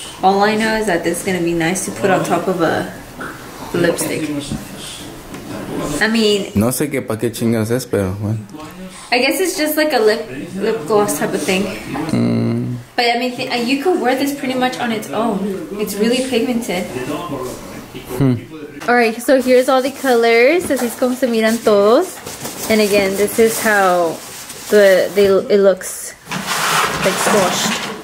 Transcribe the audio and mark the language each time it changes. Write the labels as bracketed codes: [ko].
[en] All I know is that this is gonna be nice to put on top of a lipstick. I mean, [es] no sé qué pa qué chingas es, pero bueno. [en] I guess it's just like a lip gloss type of thing. But I mean, you could wear this pretty much on its own. It's really pigmented. Alright, so here's all the colors. [es] Así es como se miran todos. [en] And again, this is how it looks like squashed.